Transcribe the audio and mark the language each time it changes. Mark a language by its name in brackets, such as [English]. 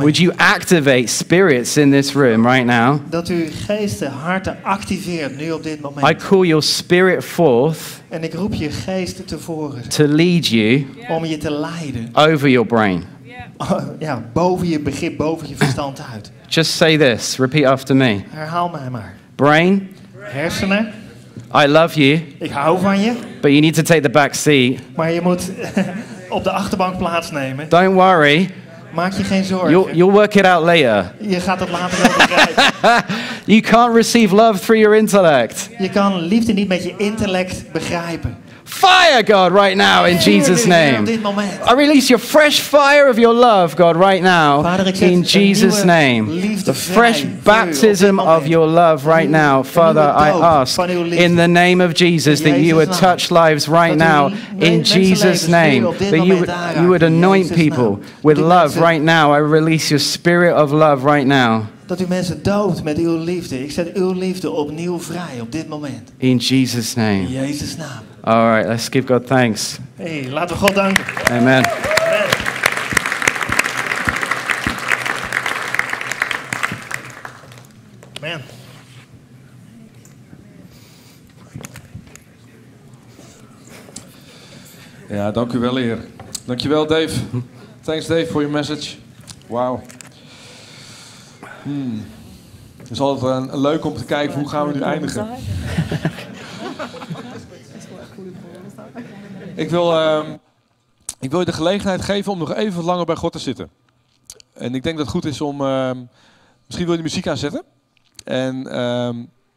[English] Would you activate spirits in this room right now? [Dutch] Dat u geesten, harten activeert nu op dit moment. [English] I call your spirit forth. [Dutch] En ik roep je geest tevoren. [English] To lead you. [Dutch] Om je te leiden. [English] Over your brain. [Dutch] Ja, boven je begrip, boven je verstand uit. [English] Just say this, repeat after me. [Dutch] Herhaal mij maar. [English] Brain. [Dutch] Hersenen. [English] I love you. [Dutch] Ik hou van je. [English] But you need to take the back seat. [Dutch] Maar je moet op de achterbank plaatsnemen. [English] Don't worry. [Dutch] Maak je geen zorgen. [English] You'll work it out later. [Dutch] Je gaat het later wel begrijpen. [English] You can't receive love through your intellect. [Dutch] Je kan liefde niet met je intellect begrijpen. [English] Fire, God, right now in Jesus' name. I release your fresh fire of your love, God, right now in Jesus' name. The fresh baptism of your love right now, Father, I ask in the name of Jesus that you would touch lives right now in Jesus' name. That you would anoint people with love right now. I release your spirit of love right now. [Dutch] Dat u mensen doopt met uw liefde. Ik zet uw liefde opnieuw vrij op dit moment. [English] In Jesus' name. [Dutch] In Jezus' naam. [English] All right, let's give God thanks. [Dutch] Hey, laten we God danken. [English] Amen. [Dutch] Amen. Ja, dank u wel, Heer. Dank je wel, Dave. [English] Thanks, Dave, for your message. Wow. [Dutch] Het is altijd leuk om te kijken hoe gaan we nu eindigen. Ik wil je de gelegenheid geven om nog even langer bij God te zitten. En ik denk dat het goed is om... misschien wil je de muziek aanzetten. En